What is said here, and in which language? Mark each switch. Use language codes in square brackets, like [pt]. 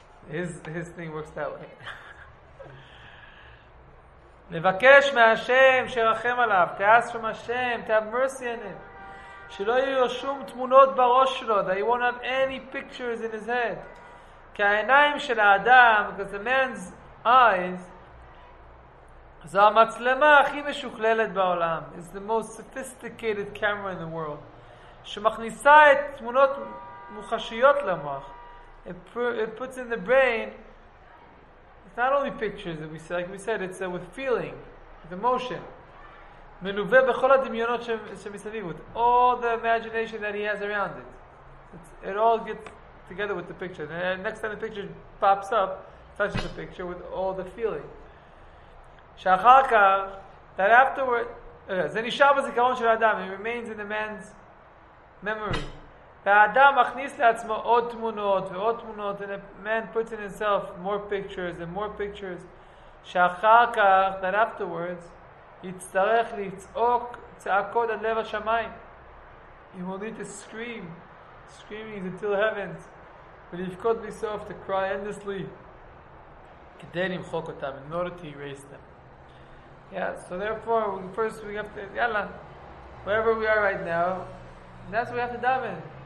[en] His thing works that way. [he] לבקש מהשם שרחם עליו, תעש [en] from Hashem, to have mercy on him. [he] שלא יהיו שום תמונות בראש שלו, [en] that he won't have any pictures in his head. [he] כי העיניים של האדם, [en] because the man's eyes, [he] זו המצלמה הכי משוכללת בעולם. [en] It's the most sophisticated camera in the world. [he] שמכניסה את תמונות מוחשיות למוח. [en] It puts in the brain, it's not only pictures, we say, like we said, it's with feeling, with emotion. [he] מלווה בכל הדמיונות שמסביב. [en] With all the imagination that he has around it. It all gets together with the picture. And next time the picture pops up, touches the picture with all the feeling. [he] שאחר כך, [en] that afterward, [he] זה נשאר בזיכרון של האדם, [en] it remains in the man's memory. [he] והאדם מכניס לעצמו עוד תמונות ועוד תמונות, [en] and a man puts in himself more pictures and more pictures. [he] שאחר כך, [en] that afterwards, [he] יצטרך לצעוק צעקות עד לב השמיים. [en] He will need to scream, screaming until heaven, [he] ולבכות בסוף, [en] to cry endlessly, [he] כדי למחוק אותם, [en] in order to erase them. Yeah, so therefore, we have to, yalla, wherever we are right now, that's what we have to dive in.